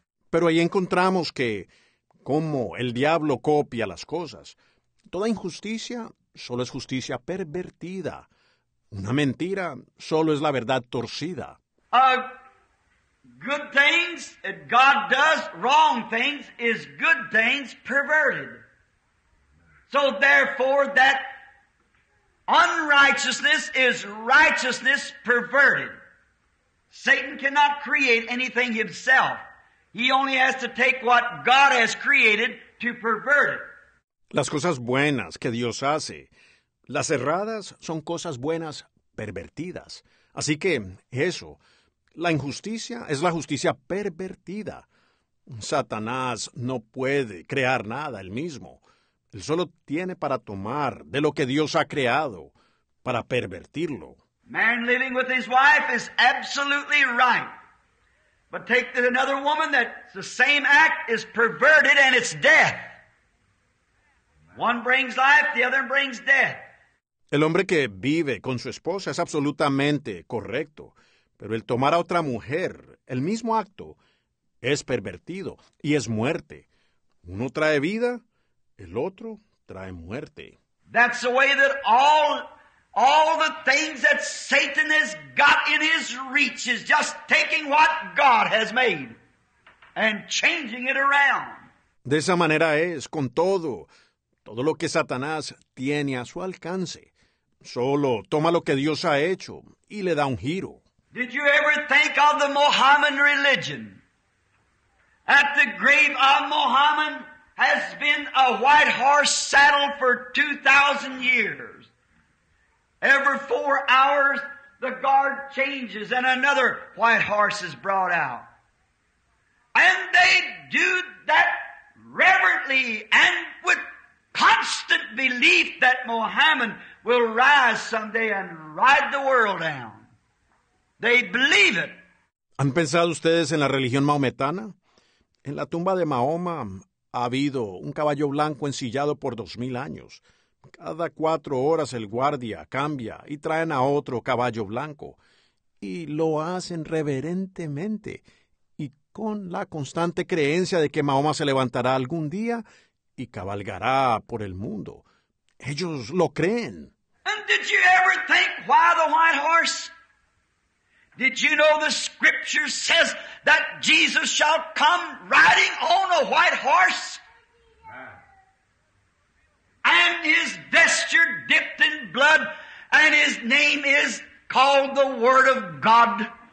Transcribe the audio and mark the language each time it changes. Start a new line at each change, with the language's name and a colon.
Spanish: Pero ahí encontramos que, como el diablo copia las cosas, toda injusticia solo es justicia pervertida. Una mentira solo es la verdad torcida.
English: Good things that God does, wrong things is good things perverted. So therefore, that unrighteousness is righteousness perverted. Satan cannot create anything himself. He only has to take what God has created to pervert it.
Spanish: Las cosas buenas que Dios hace, las erradas son cosas buenas pervertidas. Así que eso, la injusticia es la justicia pervertida. Satanás no puede crear nada él mismo. Él solo tiene para tomar de lo que Dios ha creado para pervertirlo.
English: Man living with his wife is absolutely right. But take another woman that the same act is perverted and it's death. One brings life, the other brings death.
Spanish: El hombre que vive con su esposa es absolutamente correcto. Pero el tomar a otra mujer, el mismo acto, es pervertido y es muerte. Uno trae vida, el otro trae muerte.
English: That's the way that all the things that Satan has got in his reach is just taking what God has made and changing it around.
Spanish: De esa manera es con todo lo que Satanás tiene a su alcance. Solo toma lo que Dios ha hecho y le da un giro.
English: Did you ever think of the Mohammedan religion? At the grave of Mohammed has been a white horse saddle for 2,000 years. Every 4 hours, the guard changes and another white horse is brought out. And they do that reverently and with constant belief that Mohammed will rise someday and ride the world down. They believe it.
Spanish: ¿Han pensado ustedes en la religión mahometana? En la tumba de Mahoma ha habido un caballo blanco ensillado por 2,000 años. Cada 4 horas el guardia cambia y traen a otro caballo blanco. Y lo hacen reverentemente y con la constante creencia de que Mahoma se levantará algún día y cabalgará por el mundo. Ellos lo creen.
English: And did you ever think why the white horse? Did you know the scripture says that Jesus shall come riding on a white horse? And his vesture dipped in blood, and his name is called the Word of God.